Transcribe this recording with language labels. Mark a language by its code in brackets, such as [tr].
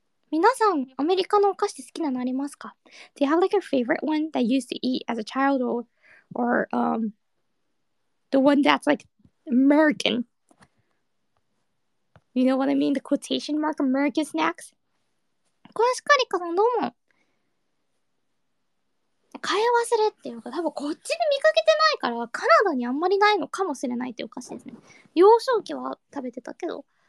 [ja] 皆さん、アメリカのお菓子好きなのありますか? [en] Do you have like a favorite one that you used to eat as a child or The one that's like American. You know what I mean? The quotation mark American snacks. [ja] コシカリカさんどうも。買い忘れっていうか、多分こっちで見かけてないから、カナダにあんまりないのかもしれないっていうお菓子ですね。幼少期は食べてたけど。